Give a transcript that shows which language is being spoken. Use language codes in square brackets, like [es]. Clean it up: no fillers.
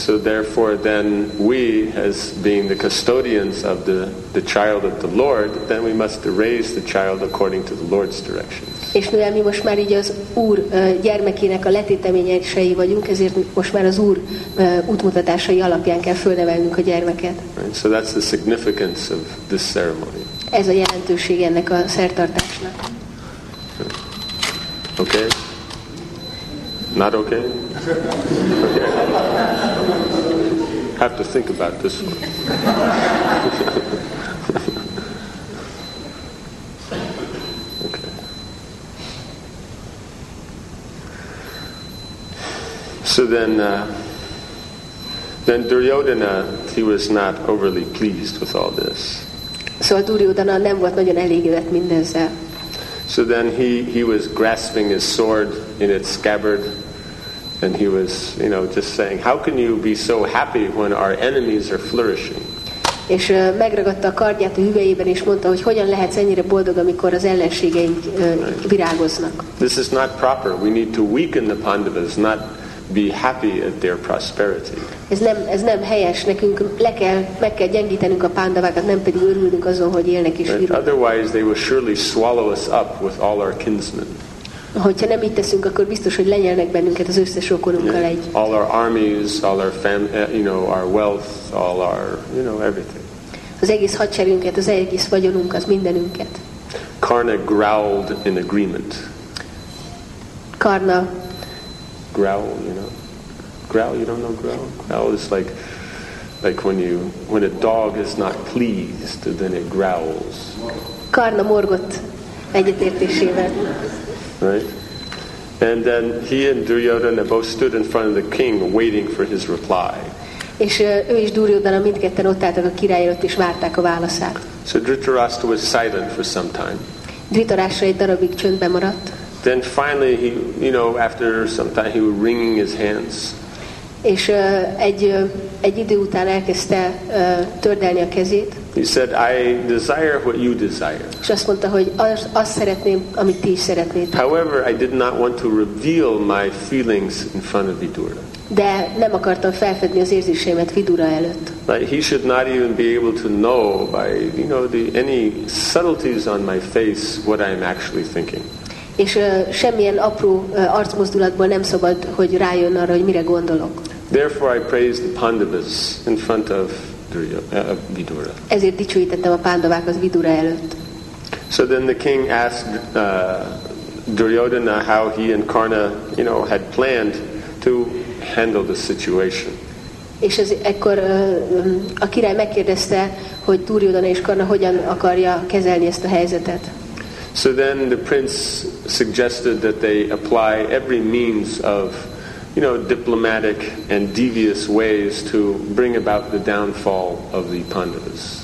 [en] So therefore then we, as being the custodians of the child of the Lord, then we must raise the child according to the Lord's directions. [hu] És mivel mi most már így az Úr gyermekének a letéteményesei vagyunk, ezért most már az Úr útmutatásai alapján kell fölnevelnünk a gyermeket. [en] Right. So that's the significance of this ceremony. [hu] Ez a jelentőség ennek a szertartásnak. [en] Okay? Not okay? Okay. Have to think about this one. Okay. So then Duryodhana, he was not overly pleased with all this. [hu] So Duryodhana nem volt nagyon elégedett mindezzel. [en] So then he was grasping his sword in its scabbard, and he was, you know, just saying, how can you be so happy when our enemies are flourishing? [hu] És megragadta a kardját a hüvelyében, és mondta, hogy hogyan lehetsz ennyire boldog, amikor az ellenségeink virágoznak. [en] This is not proper. We need to weaken the Pandavas, not be happy at their prosperity. [hu] Ez nem helyes. Nekünk meg kell gyengítenünk a pándavákat, nem pedig örülnünk azon, hogy élnek és virulnak. [en] Otherwise they will surely swallow us up with all our kinsmen. [hu] Hogyha nem itt teszünk, akkor biztos, hogy lenyelnek bennünket az összes rokonunkkal egy. [en] All our armies, all our our wealth, all our, you know, everything. [hu] Az egész hadserünket, az egész vagyonunk, az mindenünket. [en] Karna growled in agreement. Karna growl, you know. Growl, you don't know growl? Growl is like when a dog is not pleased, then it growls. [hu] Karna morgott egyetértésével. [en] Right? And then he and Duryodhana both stood in front of the king waiting for his reply. [hu] És ő is Duryodhana mindketten ott álltak a király előtt és várták a válaszát. [en] So Dhritarashtra was silent for some time. [hu] Dhritarashtra egy darabig csöndbe maradt. [en] Then finally he, you know, after some time he was wringing his hands. [hu] És egy idő után elkezdte tördelni a kezét. [en] He said, "I desire what you desire." [hu] És azt mondta, hogy azt szeretném, amit ti is szeretnétek. [en] However, I did not want to reveal my feelings in front of Vidura. [hu] De nem akartam felfedni az érzéseimet Vidura előtt. [en] Like he should not even be able to know by, you know, any subtleties on my face what I am actually thinking. [hu] És semmilyen apró arcmozdulatból nem szabad, hogy rájön arra, hogy mire gondolok. [en] Therefore I praised the Pandavas in front of Vidura. [hu] Ezért dicsőítettem a Pandavákat Vidura előtt. [en] So then the king asked Duryodhana how he and Karna, you know, had planned to handle the situation. [hu] És ez ekkor a király megkérdezte, hogy Duryodhana és Karna hogyan akarja kezelni ezt a helyzetet. [en] So then the prince suggested that they apply every means of, you know, diplomatic and devious ways to bring about the downfall of the Pandavas.